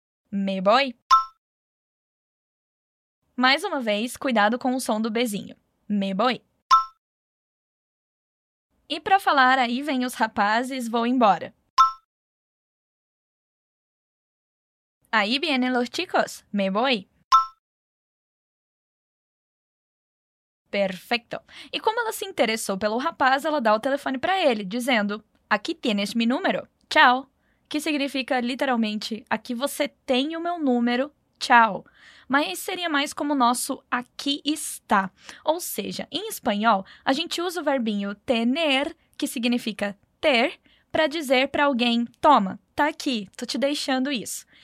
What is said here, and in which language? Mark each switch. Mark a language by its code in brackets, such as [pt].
[es] Me voy. [pt] Mais uma vez, cuidado com o som do bezinho. [es] Me voy. [pt] E para falar, aí vem os rapazes, vou embora. [es] Aí vienen los chicos, me voy. Perfecto. [pt] E como ela se interessou pelo rapaz, ela dá o telefone para ele, dizendo: [es] aqui tienes mi número, [pt] tchau. Que significa, literalmente, aqui você tem o meu número, tchau. Mas seria mais como o nosso aqui está. Ou seja, em espanhol, a gente usa o verbinho tener, que significa ter, para dizer para alguém, toma, tá aqui, tô te deixando isso.